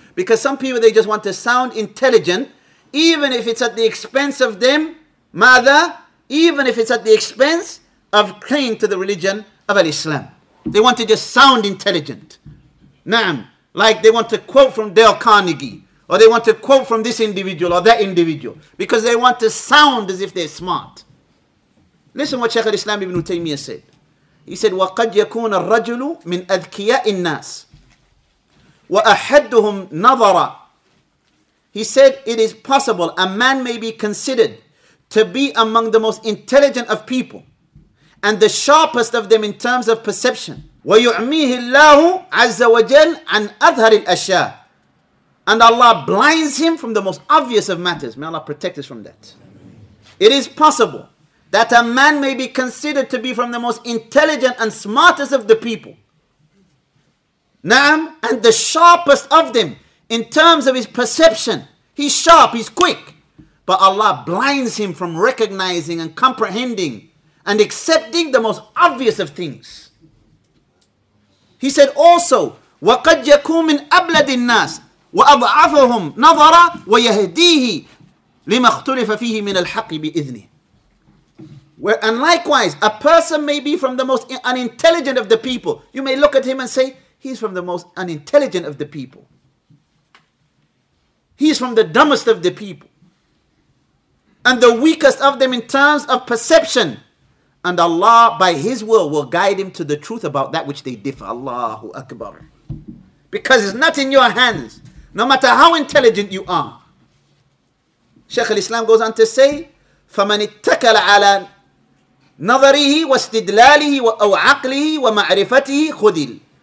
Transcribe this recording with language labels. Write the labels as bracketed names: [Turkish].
[English] Because some people, they just want to sound intelligent, even if it's at the expense of them, mother, even if it's at the expense of clinging to the religion of al-Islam. They want to just sound intelligent. Naam. Like they want to quote from Dale Carnegie, or they want to quote from this individual or that individual, because they want to sound as if they're smart. Listen what Shaykh al-Islam ibn Taymiyyah said. He said, [Arabic] وَقَدْ يَكُونَ الرَّجُلُ مِنْ أَذْكِيَاءِ النَّاسِ وَأَحَدُّهُمْ نَظَرًا. [English] He said, it is possible a man may be considered to be among the most intelligent of people and the sharpest of them in terms of perception. [Arabic] وَيُعْمِيهِ اللَّهُ عَزَّ وَجَلْ عَنْ أَظْهَرِ الْأَشْيَاءِ. [English] And Allah blinds him from the most obvious of matters. May Allah protect us from that. It is possible that a man may be considered to be from the most intelligent and smartest of the people, Naam, and the sharpest of them in terms of his perception. He's sharp, he's quick. But Allah blinds him from recognizing and comprehending and accepting the most obvious of things. He said also, [Arabic] وَقَدْ يَكُوْ مِنْ أَبْلَدِ النَّاسِ وَأَضْعَفَهُمْ نَظَرًا وَيَهْدِيهِ لِمَا اخْتُلِفَ فِيهِ مِنَ الْحَقِّ بِإِذْنِهِ. [English] And likewise, a person may be from the most unintelligent of the people. You may look at him and say, he's from the most unintelligent of the people. He's from the dumbest of the people. And the weakest of them in terms of perception. And Allah, by His will guide him to the truth about that which they differ. Allahu Akbar. Because it's not in your hands, no matter how intelligent you are. Shaykh al-Islam goes on to say, [Arabic] فَمَنْ اتَّكَلَ عَلَى نَظَرِهِ وَاسْتِدْلَالِهِ وَأَوْعَقْلِهِ وَمَعْرِفَتِهِ خُدِلْ.